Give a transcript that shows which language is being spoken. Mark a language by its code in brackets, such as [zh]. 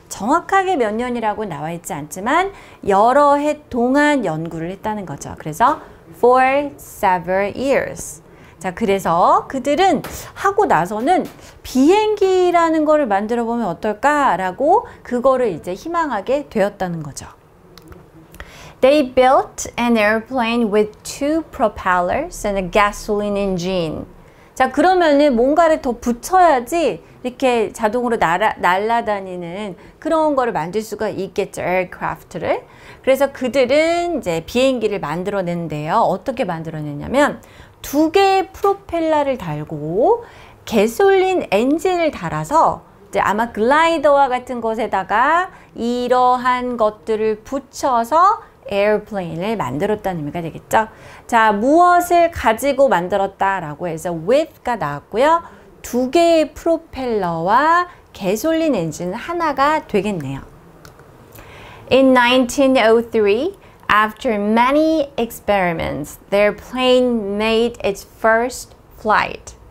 [ko] 정확하게 몇 년이라고 나와 있지 않지만 여러 해 동안 연구를 했다는 거죠. [en] 그래서 for several years. [ko] 자, 그래서 그들은 하고 나서는 비행기라는 거를 만들어 보면 어떨까라고 그거를 이제 희망하게 되었다는 거죠. [en] They built an airplane with two propellers and a gasoline engine. [ko] 자, 그러면은 뭔가를 더 붙여야지 이렇게 자동으로 날아다니는 그런 거를 만들 수가 있겠죠. [en] aircraft를. [ko] 그래서 그들은 이제 비행기를 만들어 냈는데요. 어떻게 만들어 냈냐면 두 개의 프로펠러를 달고 가솔린 엔진을 달아서 이제 아마 글라이더와 같은 것에다가 이러한 것들을 붙여서 에어플레인을 만들었다는 의미가 되겠죠. 자, 무엇을 가지고 만들었다라고 해서 with가 나왔고요. 두 개의 프로펠러와 가솔린 엔진 하나가 되겠네요. [en] In 1903, after many experiments, their plane made its first flight.